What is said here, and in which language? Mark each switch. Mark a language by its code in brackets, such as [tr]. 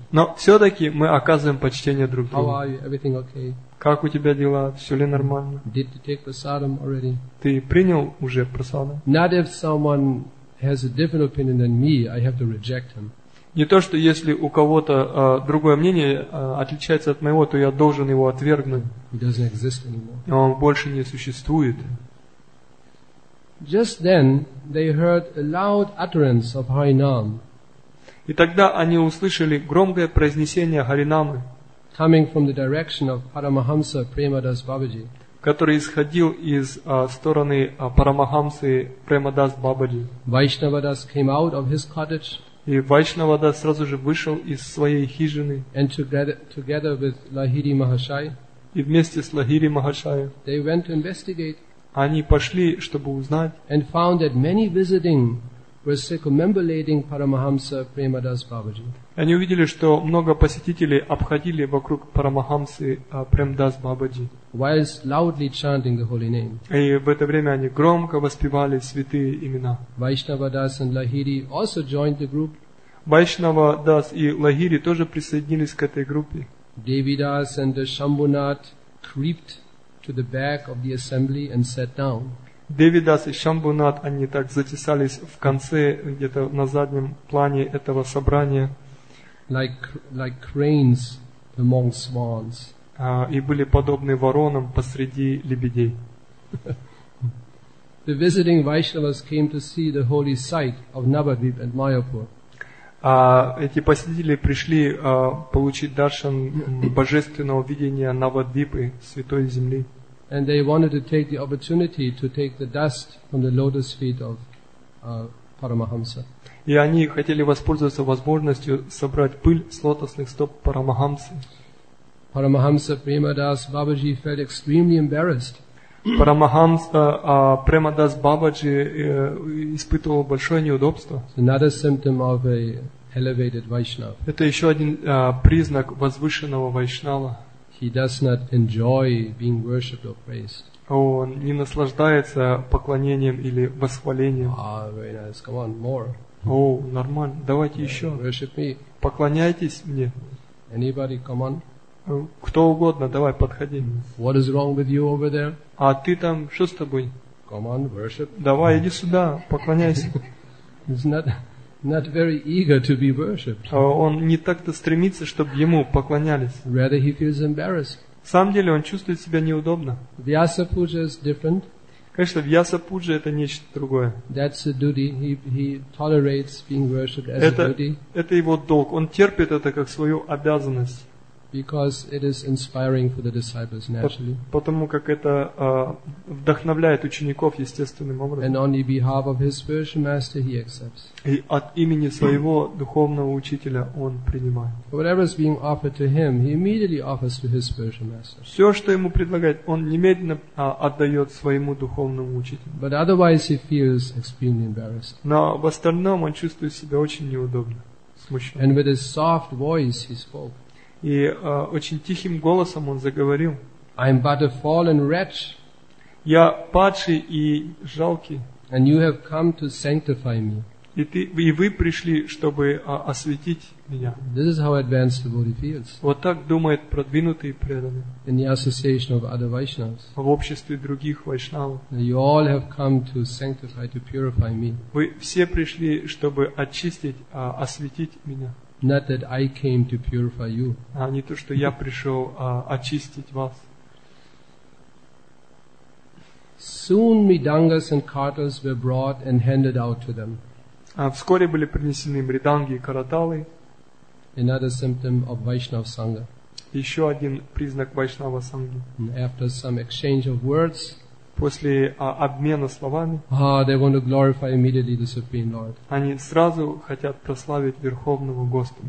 [ru] Но все-таки мы оказываем почтение друг другу. [en] How are you? Everything okay? [ru] Как у тебя дела? Все ли нормально? [en] Did you take prasadam already? [ru] Ты принял уже прасадам? [en] Not if someone has a different opinion than me, I have to reject him. [ru] Не то, что если у кого-то другое мнение отличается от моего, то я должен его отвергнуть. [en] He doesn't exist anymore. [ru] Он больше не существует. [en] Just then they heard a loud utterance of Harinam. [ru] И тогда они услышали громкое произнесение Харинамы. [en] Coming from the direction of Paramahamsa Premadas Babaji, [ru] который исходил из стороны Парамахамсы Премадас Бабаджи. [en] Vaishnavadas came out of his cottage. [ru] И Вайшнавадас сразу же вышел из своей хижины. [en] And together with Лахири Махашай, [ru] и вместе с Лахири Махашай, [en] they went to investigate. [ru] Они пошли, чтобы узнать. [en] And found that many visiting were circumambulating Paramahamsa Premadas Babaji. [ru] Они увидели, что много посетителей обходили вокруг Парамахамсы Премдас Бабаджи. [en] Whilst loudly chanting the holy name. [ru] И в это время они громко воспевали святые имена. [en] Vaishnavadas and Lahiri also joined the group. [ru] Vaishnavadas и Лахири тоже присоединились к этой группе. [en] Devidas and the Shambhunath crept to the back of the assembly and sat down. [ru] Девидас и Шамбунат, они так затесались в конце, где-то на заднем плане этого собрания. [en] Like cranes among swans. [ru] И были подобны воронам посреди лебедей. [en] The visiting Vaishnavas came to see the holy site of Navadvip and Mayapur. [ru] Эти посетители пришли получить даршан божественного видения Навадвипы, святой земли. [en] And they wanted to take the opportunity to take the dust from the lotus feet of Paramahamsa. [ru] И они хотели воспользоваться возможностью собрать пыль с лотосных стоп Парамахамсы. [en] Paramahamsa Premadas Babaji felt extremely embarrassed. [ru] Paramahamsa Premadas Babaji испытывал большое неудобство. [en] Another symptom of an elevated Vaishnava. [ru] Это еще один признак возвышенного Вайшнава. [en] He does not enjoy being worshipped or praised. [ru] Он не наслаждается поклонением или восхвалением. [en] Very nice. Come on, more. [ru] Нормально. Давайте еще. [en] Worship me. [ru] Поклоняйтесь мне. [en] Anybody, come on. [ru] Кто угодно, давай, подходи. [en] What is wrong with you over there? [ru] А ты там, что с тобой? [en] Come on, worship. [ru] Давай, иди сюда, поклоняйся. [en] It's not, not very eager to be worshipped. [ru] Он не так-то стремится, чтобы ему поклонялись. [en] Rather he feels embarrassed. [ru] В самом деле он чувствует себя неудобно. [en] Vyasa puja is different. [ru] Конечно, Vyasa puja это нечто другое. [en] That's a duty. He tolerates being worshipped as a duty. [ru] Это его долг. Он терпит это как свою обязанность. [en] Because it is inspiring for the disciples naturally. [ru] Потому как это вдохновляет учеников естественным образом. [en] And on the behalf of his spiritual master, he accepts. [ru] И от имени своего духовного учителя он принимает. [en] Whatever is being offered to him, he immediately offers to his spiritual master. [ru] Все, что ему предлагают, он немедленно отдает своему духовному учителю. [en] But otherwise, he feels extremely embarrassed. [ru] Но в остальном он чувствует себя очень неудобно, смущенно. [en] And with his soft voice, he spoke. [ru] И очень тихим голосом он заговорил. [en] I am but a fallen wretch. [ru] Я падший и жалкий. [en] And you have come to sanctify me. [ru] И вы пришли, чтобы осветить меня. [en] This is how advanced devotee feels. [ru] Вот так думает продвинутый преданный. [en] In the association of other Vaishnavas. [ru] В обществе других вайшнавов. [en] You all have come to sanctify, to purify me. [ru] Вы все пришли, чтобы очистить, осветить меня. [en] Not that I came to purify you. [ru] А не то, что я пришел очистить вас. [en] Soon Мридангас and Карталы were brought and handed out to them. [ru] Вскоре были принесены мриданги и караталы. [en] Another symptom of Vaishnav Sangha. [ru] Еще один признак Вайшнава Санги. [en] After some exchange of words. [ru] После обмена словами. [en] They want to glorify immediately the Supreme Lord. [ru] Они сразу хотят прославить Верховного Господа.